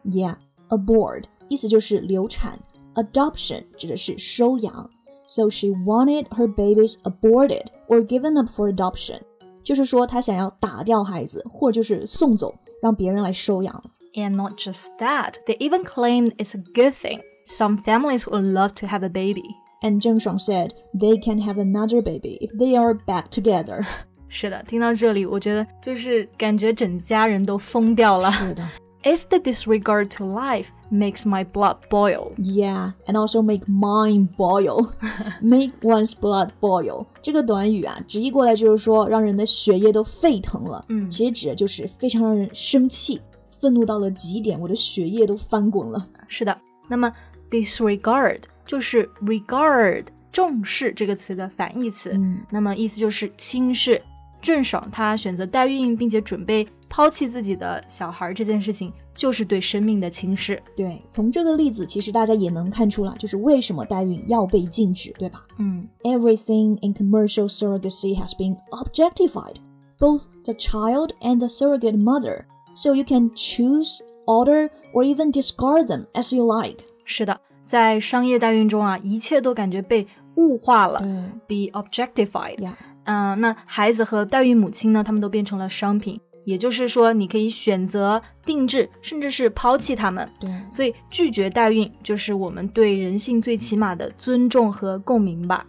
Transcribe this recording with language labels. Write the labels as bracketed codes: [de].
[zh] Yeah, abort, 意思就是流产 Adoption 指的是收养 [en] So she wanted her babies aborted or given up for adoption [zh] 就是说她想要打掉孩子或者就是送走让别人来收养 [en] And not just that, they even claimed it's a good thing. Some families would love to have a baby. And Zheng Shuang said, they can have another baby if they are back together. [zh] 是的，听到这里，我觉得就是感觉整家人都疯掉了。是的。 [en] It's the disregard to life makes my blood boil. Yeah, and also make mine boil. Make one's blood boil. [zh] 这个短语啊，直译过来就是说让人的血液都沸腾了。嗯，其实指的就是非常让人生气。愤怒到了极点，我的血液都翻滚了。是的，那么 disregard 就是 regard 重视这个词的反义词、嗯、那么意思就是轻视郑爽她选择代孕并且准备抛弃自己的小孩这件事情就是对生命的轻视对从这个例子其实大家也能看出了就是为什么代孕要被禁止对吧、嗯、 [en] Everything in commercial surrogacy has been objectified both the child and the surrogate motherSo you can choose, order, or even discard them as you like. [zh] 是的，在商业代孕中啊，一切都感觉被物化了、嗯、 [en] be objectified. Yeah. [zh] 那孩子和代孕母亲呢，他们都变成了商品。也就是说，你可以选择定制，甚至是抛弃他们。对。所以拒绝代孕就是我们对人性最起码的尊重和共鸣吧。